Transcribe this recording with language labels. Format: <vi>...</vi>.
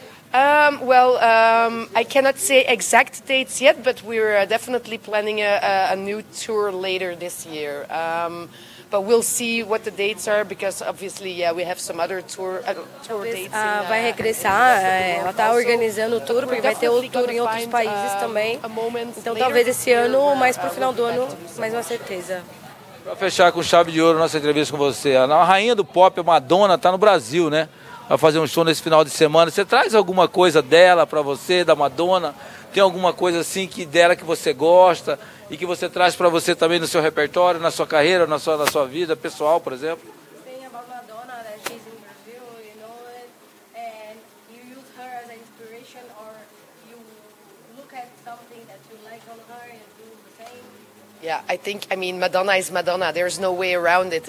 <en>I cannot say exact dates yet, but we're definitely planning a new tour later this year. But we'll see what the dates are, because obviously, yeah, we have some other tour dates.</en> <pt>Vai regressar, ela está organizando o tour, porque vai ter o tour em outros países também. Então talvez esse ano, mais para o final do ano, mais uma certeza. Para fechar com chave de ouro nossa entrevista com você, a rainha do pop, a Madonna, está no Brasil, né? A fazer um show nesse final de semana. Você traz alguma coisa dela pra você, da Madonna? Tem alguma coisa assim que dela que você gosta e que você traz pra você também no seu repertório, na sua carreira, na sua vida pessoal, por exemplo? Tem a Madonna, ela é em Brasil,</pt> <en>you know it. And you use her as an inspiration or you look at something that you like on her and do the same. Yeah, I think, I mean, Madonna is Madonna. There's no way around it.</en>